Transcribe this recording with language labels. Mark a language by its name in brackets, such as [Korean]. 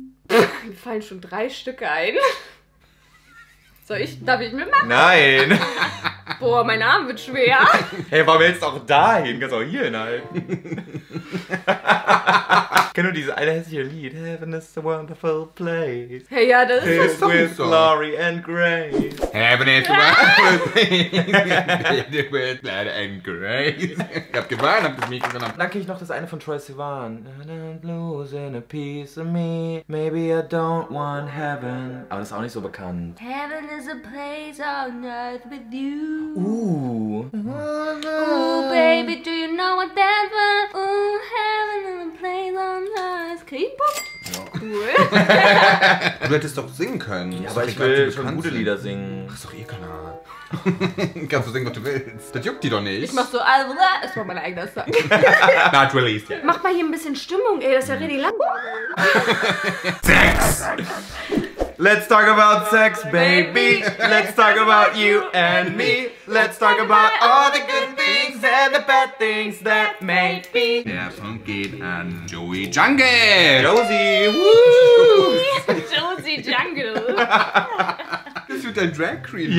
[German] Mir fallen schon drei Stücke ein. Soll ich? Darf ich mitmachen? Nein! Boah, mein Arm wird schwer. Hey, warum willst du auch dahin? Kannst du auch hier hinhalten. Kennst du dieses eine hässliche Lied? [English] Heaven is a wonderful place. [German] Hey, ja, das ist [English] filled [German] das Song. [English] With [German] so. [English] Glory and grace. Heaven is a wonderful place. With glory and grace. [German] Ich hab gewarnt, hab das Mikro genommen. Dann krieg ich noch das eine von Troye Sivan. [English] And I'm losing a piece of me. Maybe I don't want heaven. [German] Aber das ist auch nicht so bekannt. [English] Heaven is a place on earth with you. Ooh. Oh, no. Ooh, baby, do you know what that was? Ooh, heaven and a place on earth. [German] K-Pop? Ja. Cool. Du hättest doch singen können. Ja, aber ich will schon gute Lieder singen. Ach, ist doch ihr Kanal. Kannst du singen, was du willst. Das juckt die doch nicht. Ich mach so, also, das war mein eigener Song. [English] Not released yet. [German] Mach mal hier ein bisschen Stimmung, ey, das ist ja richtig lang. [English] Sex! Let's talk about sex, baby. Let's talk about you and me. Let's talk about all the good things and the bad things that may be. [German] Der Song geht an Joey Jungle. Josie, woo! Josie Jungle. Das wird dein Drag Queen.